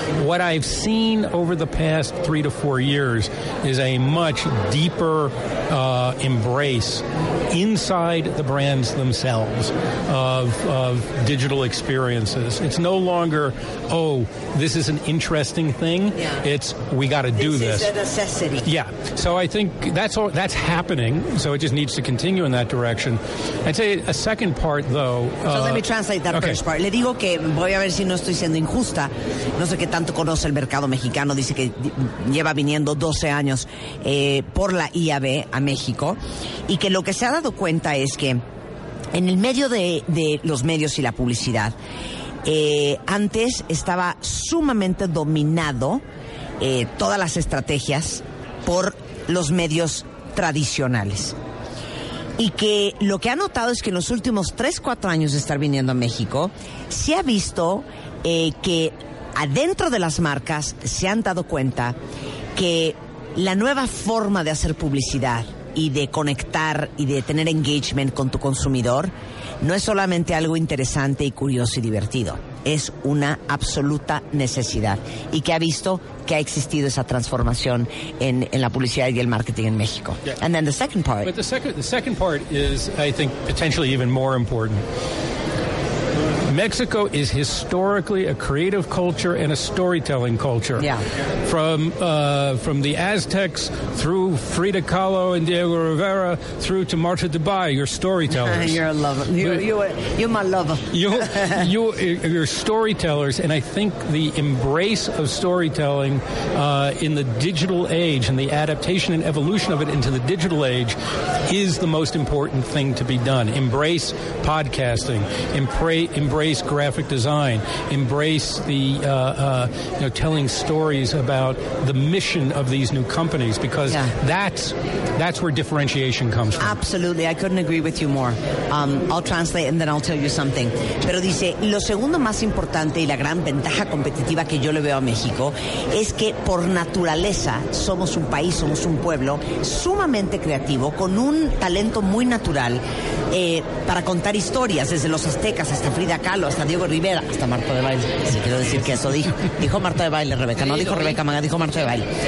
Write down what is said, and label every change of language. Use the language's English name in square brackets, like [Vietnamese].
[English] What I've seen over the past 3 to 4 years is a much deeper embrace inside the brands themselves of digital experiences. It's no longer, oh, this is an interesting thing. Yeah. It's, we got to do this. This is a necessity. Yeah. So I think that's happening. So it just needs to continue in that direction. I'd say a second part, though. So let me translate that first part. [Spanish] Le digo que voy a ver si no estoy siendo injusta. No sé qué tanto conoce el mercado mexicano. Dice que lleva viniendo 12 años por la IAB a México. Y que lo que se ha dado cuenta es que en el medio de los medios y la publicidad, antes estaba sumamente dominado todas las estrategias por los medios tradicionales. Y que lo que ha notado es que en los últimos 3-4 años de estar viniendo a México, se ha visto que adentro de las marcas se han dado cuenta que la nueva forma de hacer publicidad y de conectar y de tener engagement con tu consumidor no es solamente algo interesante y curioso y divertido. Es una absoluta necesidad. Y que ha visto que ha existido esa transformación en la publicidad y el marketing en México. Yeah. [English] And then the second part. But the second part is, I think, potentially even more important. Mexico is historically a creative culture and a storytelling culture. Yeah. From the Aztecs through Frida Kahlo and Diego Rivera through to Marta de Bay, you're storytellers. You're a lover. You're my lover. You're storytellers, and I think the embrace of storytelling in the digital age and the adaptation and evolution of it into the digital age is the most important thing to be done. Embrace podcasting. Embrace graphic design. Embrace the telling stories about the mission of these new companies, because that's where differentiation comes from. Absolutely, I couldn't agree with you more. I'll translate and then I'll tell you something. [Spanish] Pero dice, lo segundo más importante y la gran ventaja competitiva que yo le veo a México es que por naturaleza somos un país, somos un pueblo sumamente creativo, con un talento muy natural para contar historias, desde los aztecas hasta Frida Kahlo, hasta Diego Rivera, hasta Marta de Baile, si quiero decir que eso dijo Marta de Baile, Rebeca, no dijo Rebeca Maga, dijo Marta de Baile.